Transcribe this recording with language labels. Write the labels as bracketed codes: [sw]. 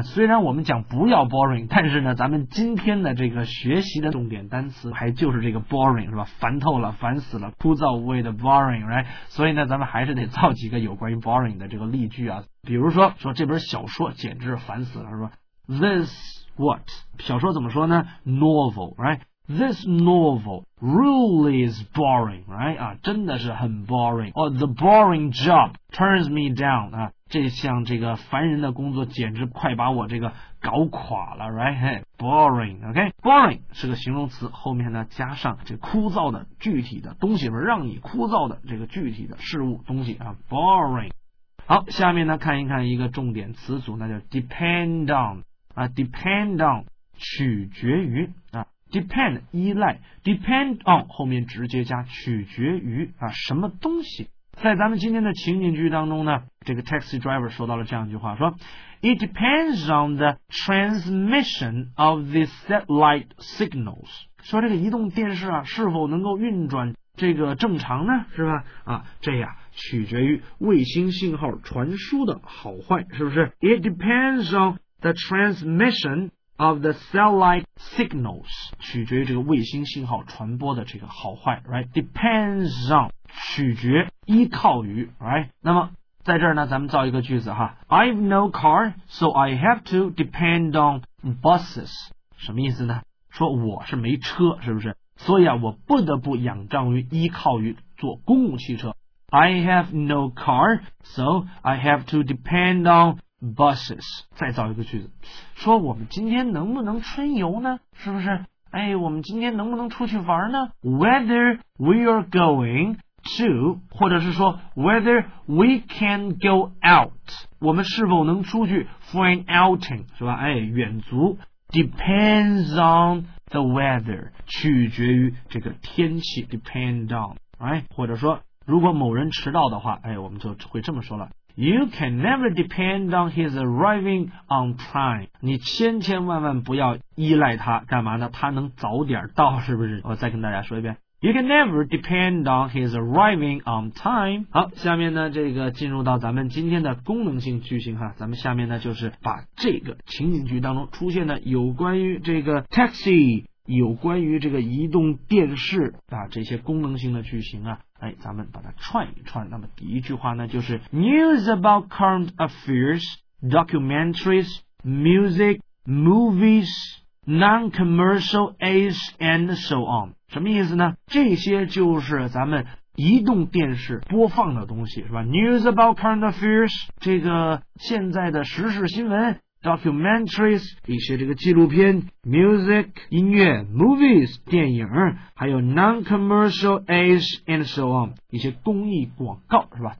[zh] 虽然我们讲不要 boring， 但是呢咱们今天的这个学习的重点单词还就是这个 boring， 是吧？烦透了，烦死了，枯燥无味的 boring， right？ 所以呢咱们还是得造几个有关于 boring 的这个例句啊，比如说说这本小说简直烦死了，是吧？ [en] This what [zh] 小说怎么说呢？ [en] novel， right？ This novel really is boring, right? [zh] 啊，真的是很 [en] boring. Or the boring job turns me down. [zh] 啊，这项这个烦人的工作简直快把我这个搞垮了， right? [en] Hey, boring, OK? [zh] Boring 是个形容词，后面呢加上这枯燥的具体的东西，让你枯燥的这个具体的事物东西啊， boring. 好，下面呢看一看一个重点词组，那叫 depend on. 啊， depend on 取决于啊。depend 依赖 ，depend on 后面直接加取决于啊什么东西？在咱们今天的情景剧当中呢，这个 taxi driver 说到了这样一句话，说 ， [en] It depends on the transmission of the satellite signals。 [zh] 说这个移动电视啊是否能够运转这个正常呢？是吧？啊，这样取决于卫星信号传输的好坏，是不是 ？ [en] It depends on the transmission。 of the satellite signals [zh] 取决于这个卫星信号传播的这个好坏， right? [en] depends on [zh] 取决依靠于， [en] right? [zh] 那么在这儿呢咱们造一个句子哈， [en] I've no car so I have to depend on buses， [zh] 什么意思呢？说我是没车，是不是？所以啊我不得不仰仗于依靠于坐公共汽车， [en] I have no car so I have to depend onbuses。 [zh] 再造一个句子，说我们今天能不能春游呢？是不是？我们今天能不能出去玩呢？ [en] whether we are going to， 或者是说 whether we can go out， [zh] 我们是否能出去 [en] for an outing， 是吧？ [zh] 远足。 [en] depends on the weather， [zh] 取决于这个天气， [en] depend on， right？ [zh] 或者说如果某人迟到的话，我们就会这么说了， [en] You can never depend on his arriving on time. [zh] 你千千万万不要依赖他，干嘛呢？他能早点到，是不是？我再跟大家说一遍， [en] You can never depend on his arriving on time. [zh] 好，下面呢，这个进入到咱们今天的功能性句型哈，咱们下面呢，就是把这个情景句当中出现的有关于这个 taxi, 有关于这个移动电视啊，这些功能性的句型啊，哎，咱们把它串一串。那么第一句话呢，就是 [en] news about current affairs, documentaries, music, movies, non-commercial aids, and so on. [zh] 什么意思呢？这些就是咱们移动电视播放的东西，是吧 ？ [en] News about current affairs, [zh] 这个现在的时事新闻 ，documentaries, 一些这个纪录片 ，music, 音乐 ，movies, 电影，还有 [en] non-commercial aids and so on, [zh] 一些公益广告，是吧？